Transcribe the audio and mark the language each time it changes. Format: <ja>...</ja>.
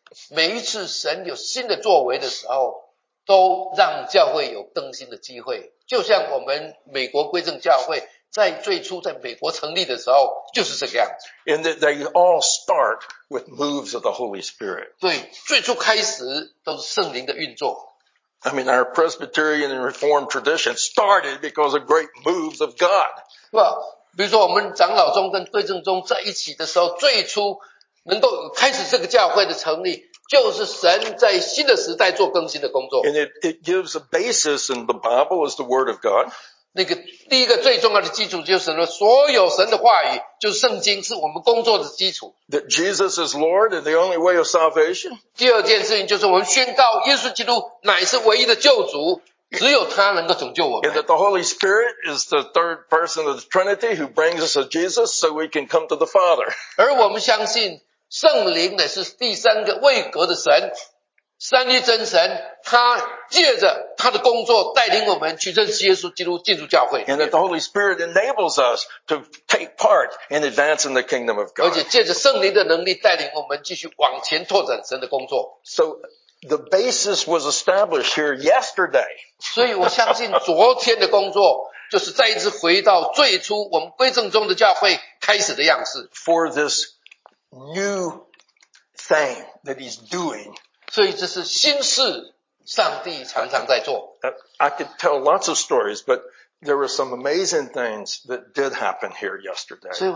<zh>每一次神有新的作为的时候，都让教会有更新的机会。就像我们美国归正教会在最初在美国成立的时候，就是这个样子。</zh> <en>In that they all start with moves of the Holy Spirit.</en> <zh>对，最初开始都是圣灵的运作。</zh> <en>I mean, our Presbyterian and Reformed tradition started because of great moves of God.</en> <zh>是吧？比如说我们长老宗跟归正宗在一起的时候，最初。</zh> <en>And it gives a basis in the Bible as the Word of God.</en> <zh>那个第一个最重要的基础就是呢，所有神的话语就是圣经，是我们工作的基础。</zh> <en>That Jesus is Lord and the only way of salvation.</en> <zh>第二件事情就是我们宣告耶稣基督乃是唯一的救主。</zh> <en>And that the Holy Spirit is the third person of the Trinity who brings us to Jesus so we can come to the Father. And that the Holy Spirit enables us to take part in advancing the kingdom of God. So the basis was established here yesterday.</en> <zh>所以我相信昨天的工作 就是再一次回到最初我们归正宗的教会开始的样式</zh> <en>for this new thing that he's doing.</en> <zh>所以这是新事上帝常常在做。</zh> <en>I could tell lots of stories, but there were some amazing things that did happen here yesterday.</en>